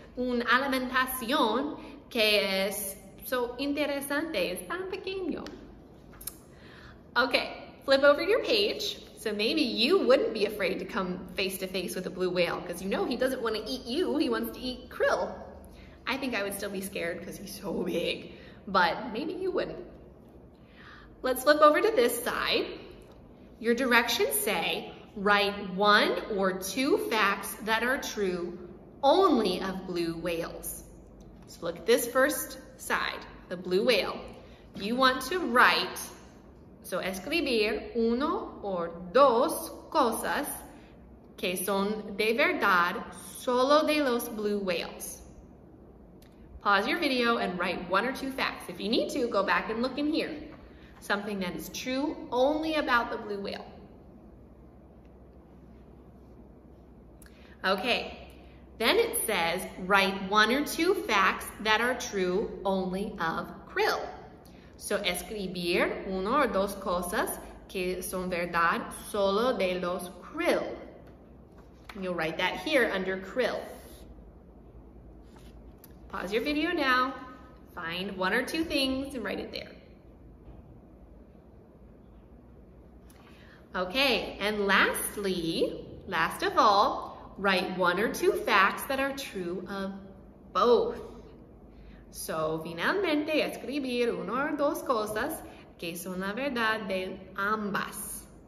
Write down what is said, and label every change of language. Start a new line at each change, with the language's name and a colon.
Spanish: una alimentación que es so interesante, es tan pequeño.
English: Okay, flip over your page. So maybe you wouldn't be afraid to come face to face with a blue whale because you know he doesn't want to eat you, he wants to eat krill. I think I would still be scared because he's so big, but maybe you wouldn't. Let's flip over to this side. Your directions say, write one or two facts that are true only of blue whales. So look at this first side, the blue whale. You want to write, so
Spanish: escribir uno o dos cosas que son de verdad solo de los
English: blue whales. Pause your video and write one or two facts. If you need to, go back and look in here. Something that is true only about the blue whale. Okay, then it says write one or two facts that are true only of krill.
Spanish: So escribir uno o dos cosas que son verdad solo de los krill.
English: You'll write that here under krill. Pause your video now, find one or two things and write it there. Okay, and lastly, last of all, write one or two facts that are true of both.
Spanish: So, finalmente, escribir uno o dos cosas que son la verdad de ambas.